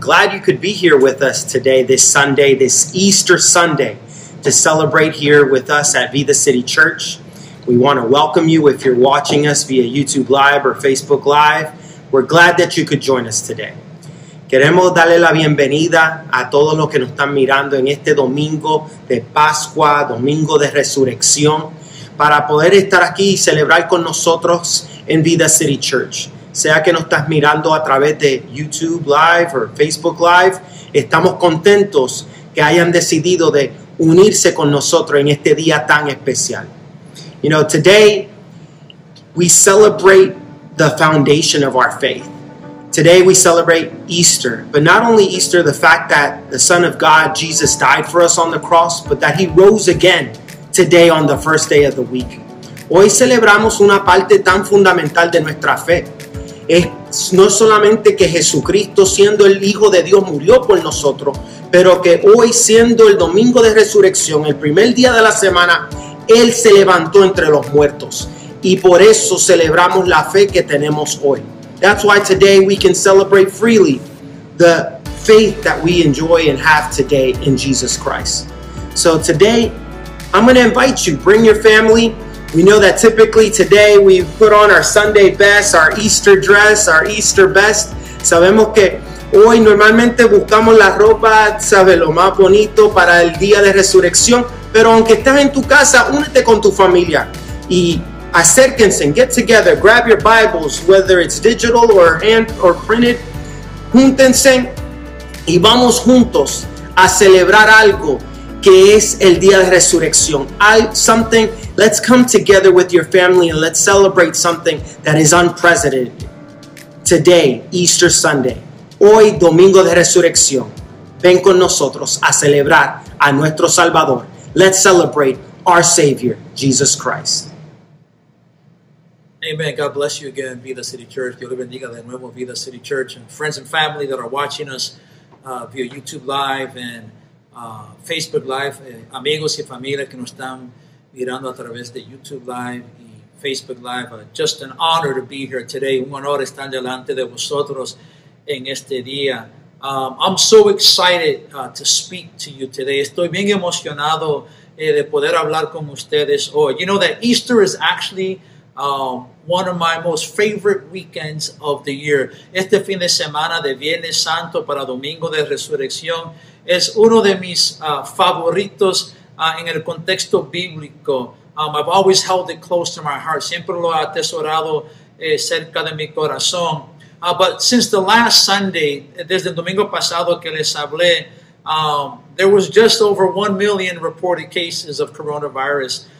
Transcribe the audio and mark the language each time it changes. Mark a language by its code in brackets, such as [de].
[en] Glad you could be here with us today, this Sunday, this Easter Sunday, to celebrate here with us at Vida City Church. We want to welcome you if you're watching us via YouTube Live or Facebook Live. We're glad that you could join us today. [es] Queremos darle la bienvenida a todos los que nos están mirando en este domingo de Pascua, domingo de resurrección, para poder estar aquí y celebrar con nosotros en Vida City Church. Sea que nos estás mirando a través de YouTube Live o Facebook Live, estamos contentos que hayan decidido de unirse con nosotros en este día tan especial. [en] You know, today we celebrate the foundation of our faith. Today we celebrate Easter, but not only Easter, the fact that the Son of God, Jesus, died for us on the cross, but that he rose again today on the first day of the week. [es] Hoy celebramos una parte tan fundamental de nuestra fe. Es no solamente que Jesucristo, siendo el Hijo de Dios, murió por nosotros, pero que hoy, siendo el domingo de resurrección, el primer día de la semana, Él se levantó entre los muertos. Y por eso celebramos la fe que tenemos hoy. [en] That's why today we can celebrate freely the faith that we enjoy and have today in Jesus Christ. So today, I'm going to invite you, bring your family. We know that typically today we put on our Sunday best, our Easter dress, our Easter best. [es] Sabemos que hoy normalmente buscamos la ropa, sabe, lo más bonito para el día de resurrección. Pero aunque estés en tu casa, únete con tu familia y acérquense, [en] get together, grab your Bibles, whether it's digital or hand or printed. [es] Júntense y vamos juntos a celebrar algo que es el día de resurrección. [en] Let's come together with your family and let's celebrate something that is unprecedented. Today, Easter Sunday. [es] Hoy, Domingo de Resurrección. Ven con nosotros a celebrar a nuestro Salvador. [en] Let's celebrate our Savior, Jesus Christ. Amen. God bless you again, Vida City Church. [es] Dios le bendiga de nuevo, Vida City Church. [en] And friends and family that are watching us via YouTube Live and Facebook Live. [es] Amigos y familia que nos están mirando a través de YouTube Live y Facebook Live. [en] Just an honor to be here today. [es] Un honor estar delante de vosotros en este día. [en] I'm so excited to speak to you today. [es] Estoy bien emocionado de poder hablar con ustedes hoy. [en] You know that Easter is actually one of my most favorite weekends of the year. [es] Este fin de semana de Viernes Santo para Domingo de Resurrección es uno de mis favoritos. En el contexto bíblico, [en] I've always held it close to my heart. [es] Siempre lo he atesorado cerca de mi corazón. [en] But since the last Sunday, [es] desde el domingo pasado que les hablé, [en] there was just over 1 million reported cases of coronavirus.